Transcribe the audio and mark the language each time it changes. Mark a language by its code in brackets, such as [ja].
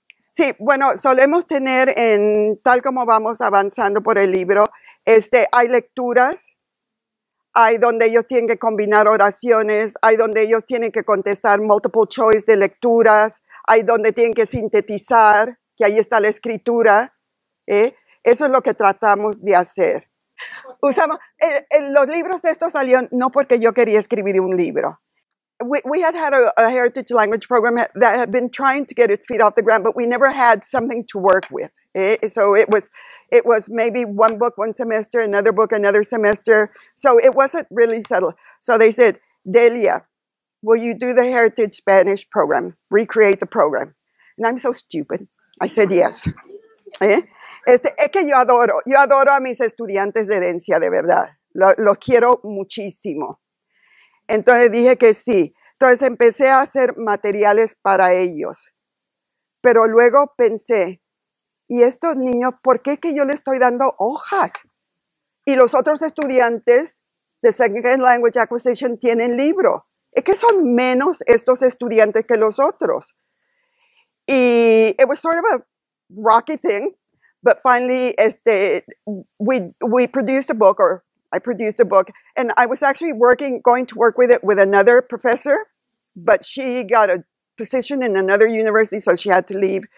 [es] Sí, bueno, solemos tener en tal como vamos avanzando por el libro, hay lecturas, hay donde ellos tienen que combinar oraciones, hay donde ellos tienen que contestar multiple choice de lecturas, hay donde tienen que sintetizar, que ahí está la escritura, ¿eh? Eso es lo que tratamos de hacer. Usamos los libros estos salieron no porque yo quería escribir un libro. [en] We had had a heritage language program that had been trying to get its feet off the ground, but we never had something to work with. So it was maybe one book one semester, another book another semester. So it wasn't really settled. So they said, Delia, will you do the heritage Spanish program, recreate the program? And I'm so stupid. I said yes. [es] Es que yo adoro a mis estudiantes de herencia, de verdad. Los quiero muchísimo. Entonces dije que sí. Entonces empecé a hacer materiales para ellos. Pero luego pensé, ¿y estos niños, por qué es que yo les estoy dando hojas? Y los otros estudiantes de Second Language Acquisition tienen libro. Es que son menos estos estudiantes que los otros. [en] Y it was sort of a rocky thing, but finally, we produced a book, or I produced a book, and I was actually going to work with it with another professor, but she got a position in another university, so she had to leave.